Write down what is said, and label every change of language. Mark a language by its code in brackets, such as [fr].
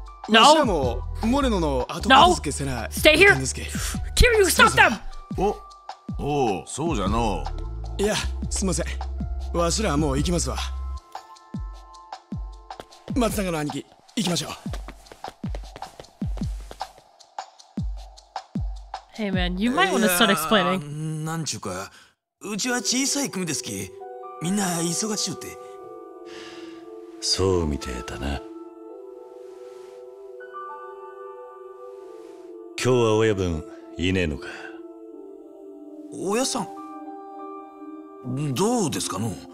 [ja] わしらもモレノの後片付けせない。 [en] No. Stay here. Kim, you stop them. [ja] お、おう、そうじゃの。いや、すみません。わしらはもう行きますわ。松永の兄貴、行きましょう。 [en] Hey man, you might want to start explaining. [ja] なんちゅうか、うちは小さい組ですき、みんな忙しゅうて。そうみてえだな。今日は親分、いねえのか。親さん、どうですかの。